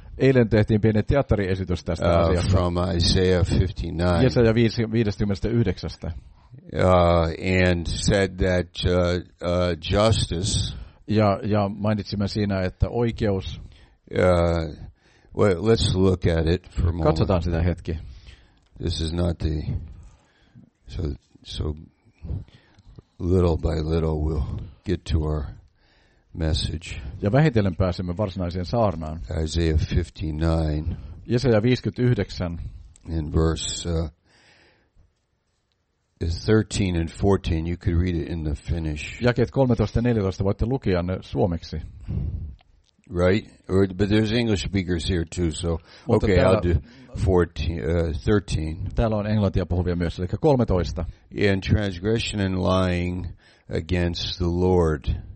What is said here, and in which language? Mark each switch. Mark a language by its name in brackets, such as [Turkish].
[Finnish] Eilen tehtiin pieni teatteriesitys tästä asiasta. [English] From Isaiah 59. [Finnish] Jesaja 59. [English] And said that justice. [Finnish] Ja mainitsimme siinä, että oikeus. [English] Well, let's look at it for a moment. [Finnish] Katsotaan sitä hetki. [English] This is not the so little by little we'll get to our message. [Finnish] Ja vähitellen pääsemme varsinaiseen saarnaan. [English] Isaiah 59. [Finnish] Jesaja 59. [English] In verse 13 and 14, you could read it in the Finnish. [Finnish] Jakeet 13 ja 14 voitte lukea ne suomeksi. [English] Right, but there's English speakers here too, so okay, I'll do 13. [Finnish] Täällä on englantia puhuvia myös, eli 13. [English] In transgression and lying against the Lord.